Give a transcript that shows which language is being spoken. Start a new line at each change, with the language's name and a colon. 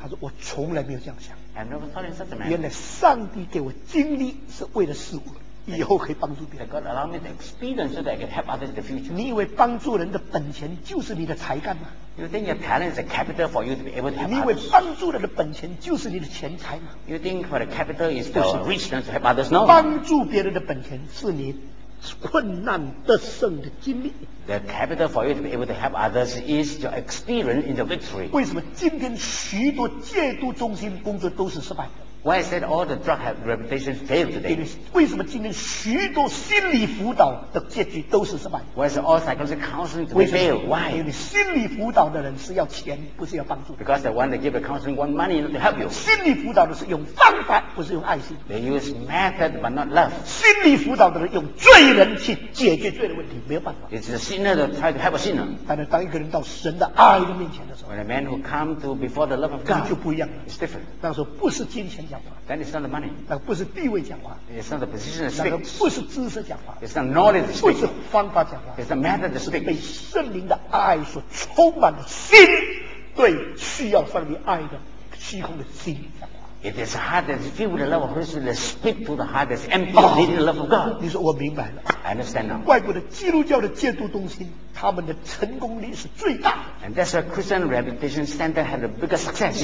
Chinese: 他说我从来没有这样想。
English: I've never thought in such a manner.
Chinese: 原来上帝给我经历是为了使我。以后可以帮助别人。
English: God allow me to experience so that I can help others in the future.
Chinese: 你以为帮助人的本钱就是你的才干吗
English: ？You think your talent is a capital for you to be able to help others?
Chinese: 你以为帮助人的本钱就是你的钱财吗
English: ？You think for the capital is the richness to help others? No.
Chinese: 帮助别人的本钱是你困难得胜的经历。
English: The capital for you to be able to help others is your experience in the victory.
Chinese: 为什么今天许多戒毒中心工作都是失败的？
English: Why is that all the drug have reputation failed today?
Chinese: 为什么今天许多心理辅导的结局都是失败
English: ？Why is all psychological counseling to fail? Why?
Chinese: 因为心理辅导的人是要钱，不是要帮助。
English: Because the one that give the counseling want money to help you.
Chinese: 心理辅导的是用方法，不是用爱心。
English: They use method but not love.
Chinese: 心理辅导的人用罪人去解决罪的问题，没有办法。
English: It's the sinner that try to help a sinner.
Chinese: 但是当一个人到神的爱的面前的时候
English: ，When a man who come to before the love of God,
Chinese: 就不一样
English: It's different.
Chinese: 那时候不是金钱。
English: Then it's not the money.
Chinese: 那不是地位讲话。
English: It's not the position to
Chinese: speak. 那不是知识讲话。
English: It's not knowledge to speak.
Chinese: 不是方法讲话。
English: It's the method to speak.
Chinese: 被圣灵的爱所充满的心，对需要上帝爱的虚空的心讲话。
English: It is a heart that is filled with the love of Christ that speak to the heart that is empty with the love of God.
Chinese: 你说我明白了。
English: I understand now.
Chinese: 外国的基督教的戒毒中心，他们的成功率是最大。
English: And that's why Christian Rehabilitation Center had the biggest success.